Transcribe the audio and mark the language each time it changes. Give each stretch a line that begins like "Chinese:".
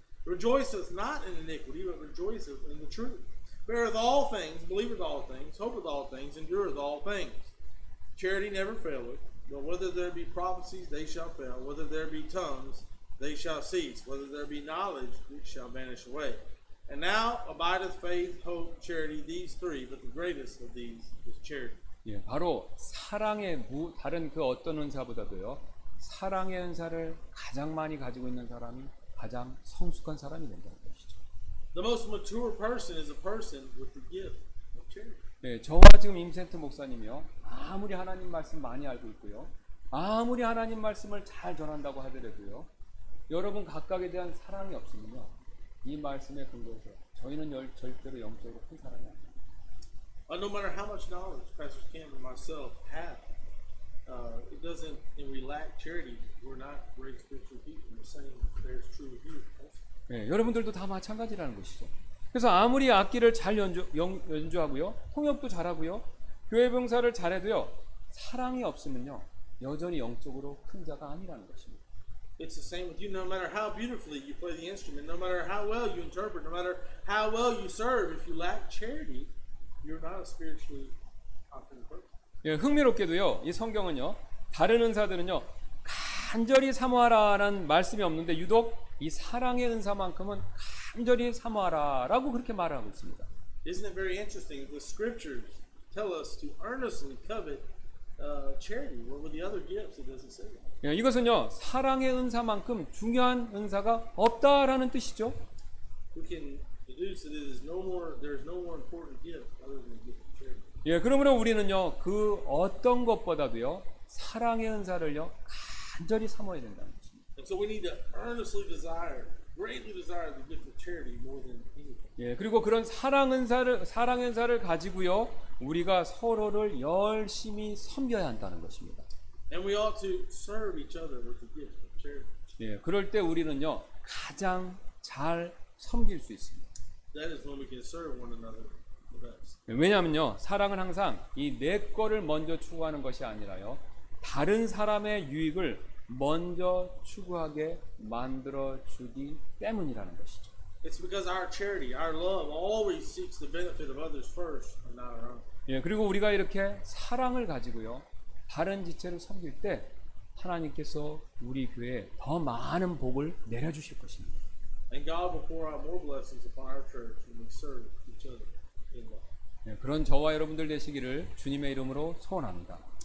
English: Rejoiceth not in iniquity, but rejoiceth in the truth. Beareth all things, believeth all things, hopeth all things, endureth all things. Charity never faileth, but whether there be prophecies, they shall fail. Whether there be tongues, they shall cease. Whether there be knowledge, it shall vanish away. And now abideth faith, hope, charity, these three, but the greatest of these is charity.
Korean: 예, 바로 사랑의 다른 그 어떤 은사보다도요. 사랑의 은사를 가장 많이 가지고 있는 사람이 가장 성숙한 사람이 된다는 것이죠.
English: The most mature person is a person with the gift of charity.
Korean: 예, 저와 지금 임센트 목사님이요. 아무리 하나님 말씀 많이 알고 있고요. 아무리 하나님 말씀을 잘 전한다고 하더라도요. 여러분 각각에 대한 사랑이 없으면요. 이 말씀에 근거해서 저희는 절대로 영적으로 큰 사람이 아니에요.
English: No matter how much knowledge Pastor Kim and myself have, it doesn't and we lack charity. We're not great spiritual people. The same bears true with you.
Korean: 네, 여러분들도 다 마찬가지라는 것이죠. 그래서 아무리 악기를 잘 연주하고요, 통역도 잘하고요, 교회 봉사를 잘해도요, 사랑이 없으면요, 여전히 영적으로 큰 자가 아니라는 것입니다.
English: It's the same with you. No matter how beautifully you play the instrument, no matter how well you interpret, no matter how well you serve, if you lack charity, you're not a spiritually competent person.
Korean: 예, 흥미롭게도요, 이 성경은요, 다른 은사들은요, 간절히 사모하라라는 말씀이 없는데 유독 이 사랑의 은사만큼은 간절히 사모하라라고 그렇게 말을 하고 있습니다.
English: Isn't it very interesting? The scriptures tell us to earnestly covet charity. What were the other gifts? It doesn't say that.
Korean: 예, 이것은요 사랑의 은사만큼 중요한 은사가 없다라는 뜻이죠.
English: We can deduce that it is no more. There is no more important gift other than the gift of charity.
Korean: 예, 그러므로 우리는요 그 어떤 것보다도요 사랑의 은사를요 간절히 사모해야 된다는 것입니다.
English: And so we need to earnestly desire, greatly desire the gift of charity more than anything.
Korean: 예, 그리고 그런 사랑의 은사를 가지고요 우리가 서로를 열심히 섬겨야 한다는 것입니다.
English: And we ought to serve each other with the gift of charity.
Korean: 예, 그럴 때 우리는요 가장 잘 섬길 수 있습니다.
English: That is when we can serve one another the best.
Korean: 예, 왜냐하면요 사랑은 항상 이 내 거를 먼저 추구하는 것이 아니라요 다른 사람의 유익을 먼저 추구하게 만들어 주기 때문이라는 것이죠.
English: It's because our charity, our love, always seeks the benefit of others first, and not our own.
Korean: 예, 그리고 우리가 이렇게 사랑을 가지고요. 다른 지체를 섬길 때 하나님께서 우리 교회에 더 많은 복을 내려주실 것입니다.
English: And God will pour out more blessings upon our church when we serve each other in love.
Korean: 네, 그런 저와 여러분들 되시기를 주님의 이름으로 소원합니다.